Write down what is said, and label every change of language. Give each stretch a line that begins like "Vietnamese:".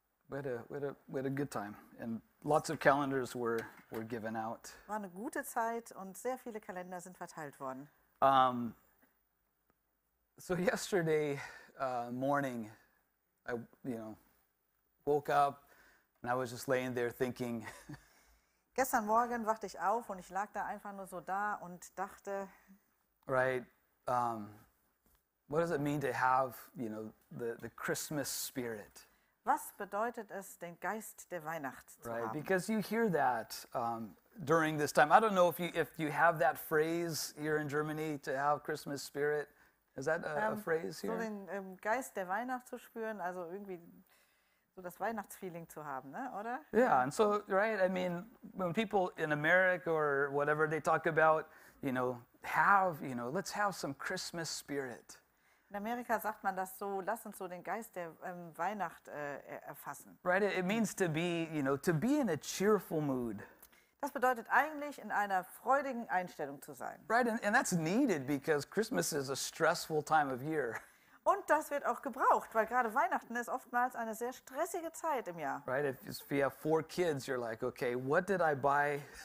English: We had a good time, and lots of calendars were given out.
German: War eine gute Zeit und sehr viele Kalender sind verteilt worden.
English: So yesterday morning, I woke up and I was just laying there thinking.
German: Gestern Morgen wachte ich auf und ich lag da einfach nur so da und dachte.
English: Right. What does it mean to have, you know, the Christmas spirit?
German: Was bedeutet es, den Geist der Weihnacht zu haben?
English: Right, because you hear that during this time. I don't know if you have that phrase here in Germany, to have Christmas spirit. Is that a phrase here?
German: So den Geist der Weihnacht zu spüren, also irgendwie so das Weihnachtsfeeling zu haben, ne, oder?
English: Yeah, and so, right, I mean, when people in America or whatever, they talk about, you know, let's have some Christmas spirit.
German: In Amerika sagt man das so, lass uns so den Geist der Weihnacht erfassen.
English: Right, it means to be, you know, to be in a cheerful mood.
German: Das bedeutet eigentlich, in einer freudigen Einstellung zu sein.
English: Right, and that's needed because Christmas is a stressful time of year.
German: Und das wird auch gebraucht, weil gerade Weihnachten ist oftmals eine sehr stressige Zeit im Jahr.
English: Right, if you have four kids, you're like, okay, what did I buy?